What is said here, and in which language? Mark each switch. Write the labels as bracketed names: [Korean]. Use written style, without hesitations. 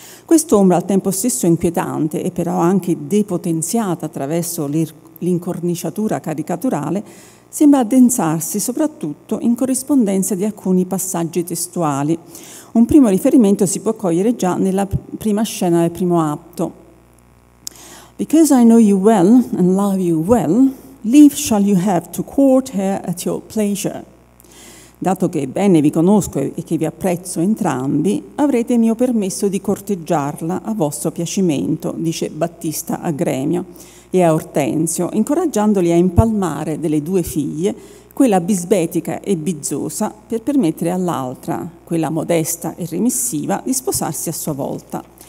[Italian] Quest'ombra, al tempo stesso inquietante e però anche depotenziata attraverso l'incorniciatura caricaturale, sembra addensarsi soprattutto in corrispondenza di alcuni passaggi testuali. Un primo riferimento si può cogliere già nella prima scena del primo atto. [English] Because I know you well and love you well, leave shall you have to court her at your pleasure. [Italian] Dato che bene vi conosco e che vi apprezzo entrambi, avrete mio permesso di corteggiarla a vostro piacimento, dice Battista a Gremio e a Ortensio, incoraggiandoli a impalmare delle due figlie quella bisbetica e bizzosa per permettere all'altra, quella modesta e remissiva, di sposarsi a sua volta.